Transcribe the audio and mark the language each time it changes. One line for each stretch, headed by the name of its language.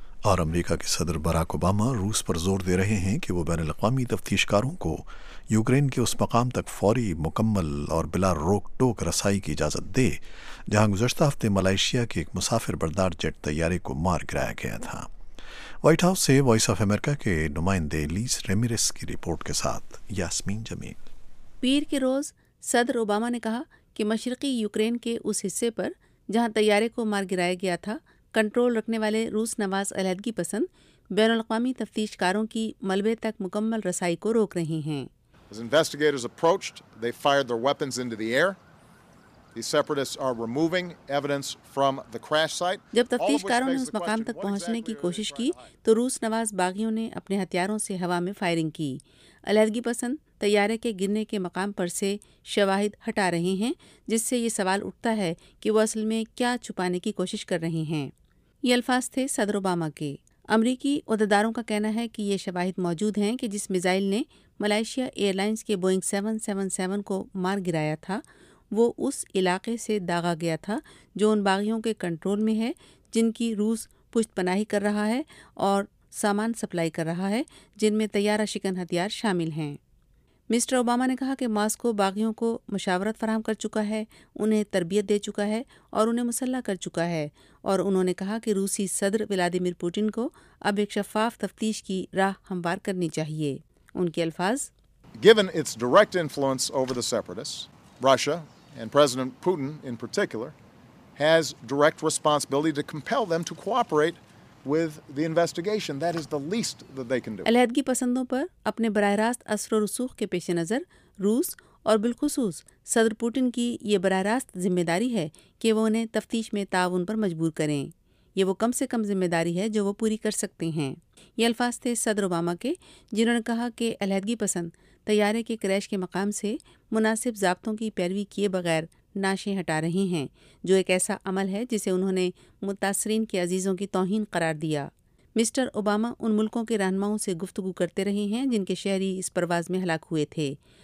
Urdu: اور امریکہ کے صدر باراک اوباما روس پر زور دے رہے ہیں کہ وہ بین الاقوامی تفتیش کاروں کو یوکرین کے اس مقام تک فوری، مکمل اور بلا روک ٹوک رسائی کی اجازت دے جہاں گزشتہ ہفتے ملائیشیا کے ایک مسافر بردار جیٹ طیارے کو مار گرایا گیا تھا۔ وائٹ ہاؤس سے وائس آف امریکہ کے نمائندے لیس ریمیرس کی رپورٹ کے ساتھ یاسمین جمیل۔ پیر کے روز صدر اوباما نے کہا کہ مشرقی یوکرین کے اس حصے پر جہاں طیارے کو مار گرایا گیا تھا کنٹرول رکھنے والے روس نواز علیحدگی پسند بین الاقوامی تفتیش کاروں کی ملبے تک مکمل رسائی کو روک رہے ہیں۔
English: As investigators approached, they fired their weapons into the air. The separatists are removing evidence from the crash site.
Urdu: جب تفتیش کاروں نے اس مقام تک پہنچنے کی کوشش کی تو روس نواز باغیوں نے اپنے ہتھیاروں سے ہوا میں فائرنگ کی۔ علیحدگی پسند طیارے کے گرنے کے مقام پر سے شواہد ہٹا رہے ہیں، جس سے یہ سوال اٹھتا ہے کہ وہ اصل میں کیا چھپانے کی کوشش کر رہے ہیں۔ یہ الفاظ تھے صدر اوباما کے۔ امریکی عہدیداروں کا کہنا ہے کہ یہ شواہد موجود ہیں کہ جس میزائل نے ملائیشیا ایئر لائنز کے بوئنگ 777 کو مار گرایا تھا وہ اس علاقے سے داغا گیا تھا جو ان باغیوں کے کنٹرول میں ہے جن کی روس پشت پناہی کر رہا ہے اور سامان سپلائی کر رہا ہے جن میں طیارہ شکن ہتھیار شامل ہیں۔ مسٹر اوباما نے کہا کہ ماسکو باغیوں کو مشاورت فراہم کر چکا ہے، انہیں تربیت دے چکا ہے اور انہیں مسلح کر چکا ہے، اور انہوں نے کہا کہ روسی صدر ولادیمیر پوٹن کو اب ایک شفاف تفتیش کی راہ ہموار کرنی چاہیے۔ ان کے الفاظ،
English: Given its direct influence over the separatists, Russia and President Putin in particular has direct responsibility to compel them to cooperate with the investigation. That is the least that they can do.
Urdu: علیحدگی پسندوں پر اپنے براہ راست اثر و رسوخ کے پیش نظر روس اور بالخصوص صدر پوٹن کی یہ براہ راست ذمہ داری ہے کہ وہ انہیں تفتیش میں تعاون پر مجبور کریں۔ یہ وہ کم سے کم ذمہ داری ہے جو وہ پوری کر سکتے ہیں۔ یہ الفاظ تھے صدر اوباما کے، جنہوں نے کہا کہ علیحدگی پسند طیارے کے کریش کے مقام سے مناسب ضابطوں کی پیروی کیے بغیر نعشیں ہٹا رہی ہیں، جو ایک ایسا عمل ہے جسے انہوں نے متاثرین کے عزیزوں کی توہین قرار دیا۔ مسٹر اوباما ان ملکوں کے رہنماؤں سے گفتگو کرتے رہے ہیں جن کے شہری اس پرواز میں ہلاک ہوئے تھے۔